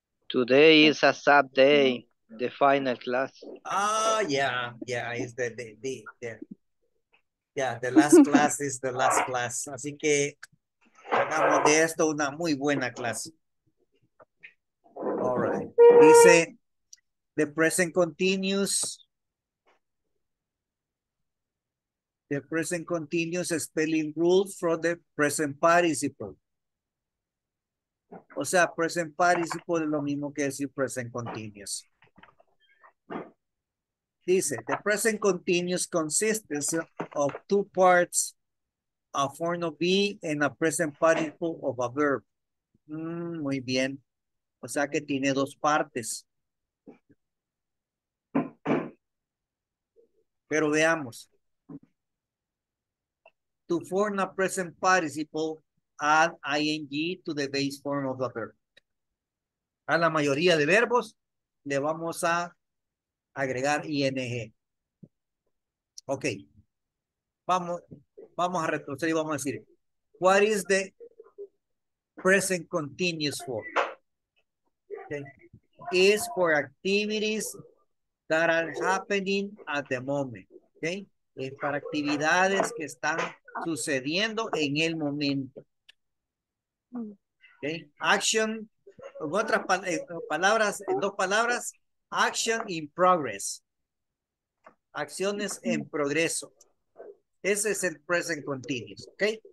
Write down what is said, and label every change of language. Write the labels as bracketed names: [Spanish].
[English] Today is a sad day, the final class. Ah, yeah, it's the yeah, the last class is the last class. [Spanish] Así que hagamos de esto una muy buena clase. [English] All right. Dice, the present continuous. The present continuous spelling rule for the present participle. [Spanish] O sea, present participle es lo mismo que decir present continuous. [English] Dice, the present continuous consists of two parts, a form of be and a present participle of a verb. [Spanish] Muy bien. O sea que tiene dos partes. Pero veamos. [English] To form a present participle, add ing to the base form of the verb. [Spanish] A la mayoría de verbos le vamos a agregar ing. Ok. Vamos a retroceder y vamos a decir, what is the present continuous for? Okay. [English] Is for activities that are happening at the moment. Okay. [Spanish] Es para actividades que están sucediendo en el momento. Okay. Action, en otras palabras, en dos palabras, action in progress. Acciones en progreso. Ese es el present continuous. Ok.